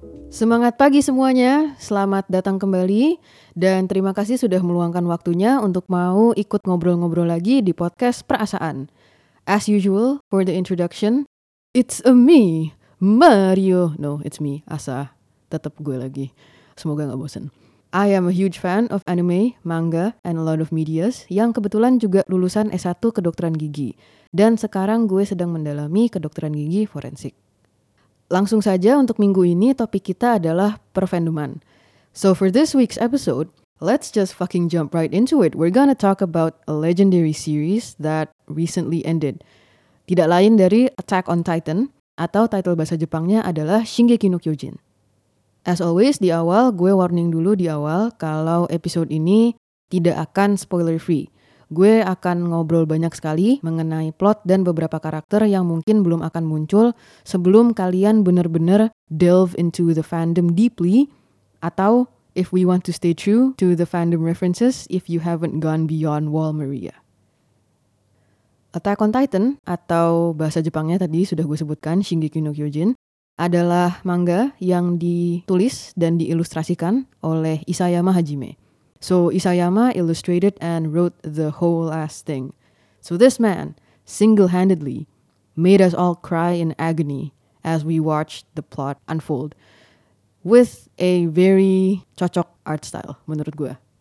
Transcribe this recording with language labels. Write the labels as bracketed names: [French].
[Indonesian] Semangat pagi semuanya, selamat datang kembali dan terima kasih sudah meluangkan waktunya untuk mau ikut ngobrol-ngobrol lagi di podcast Perasaan. [English] As usual, for the introduction, it's a me, Mario. No, it's me, [Indonesian] Asa. Tetap gue lagi. Semoga gak bosan. [English] I am a huge fan of anime, manga, and a lot of medias [Indonesian] yang kebetulan juga lulusan S1 kedokteran gigi. Dan sekarang gue sedang mendalami kedokteran gigi forensik. Langsung saja untuk minggu ini topik kita adalah perfandoman. [English] So for this week's episode, let's just fucking jump right into it. We're gonna talk about a legendary series that recently ended. [Indonesian] Tidak lain dari Attack on Titan, atau title bahasa Jepangnya adalah Shingeki no Kyojin. [English] As always, [Indonesian] di awal gue warning dulu di awal kalau episode ini tidak akan spoiler free. Gue akan ngobrol banyak sekali mengenai plot dan beberapa karakter yang mungkin belum akan muncul sebelum kalian benar-benar [English] delve into the fandom deeply, [Indonesian] atau [English] if we want to stay true to the fandom references if you haven't gone beyond Wall Maria. [Indonesian] Attack on Titan, atau bahasa Jepangnya tadi sudah gue sebutkan Shingeki no Kyojin, adalah manga yang ditulis dan diilustrasikan oleh Isayama Hajime. [English] So, Isayama illustrated and wrote the whole ass thing. So, this man single-handedly made us all cry in agony as we watched the plot unfold with a very cocok art style, [Indonesian] menurut gue.